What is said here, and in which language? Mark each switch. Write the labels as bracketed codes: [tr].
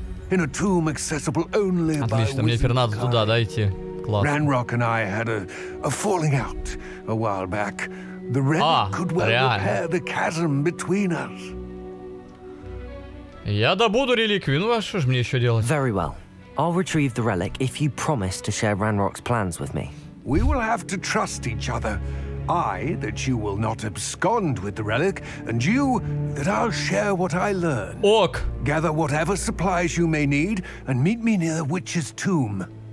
[ru] Отлично, мне теперь надо туда, да, идти. Класс. Ранрок и я имели [en] falling out a while back. The relic could well repair the chasm between us. [ru] Я добуду реликвию, ну а что ж мне еще делать? [en] Very well. I'll retrieve the relic if you promise to share Ranrok's plans with me. We will have to trust each other. I, that you will not abscond with the relic, and you, that I'll share what I learn. [ru] Ок. [en] Gather whatever supplies you may need and meet me near the witch's tomb.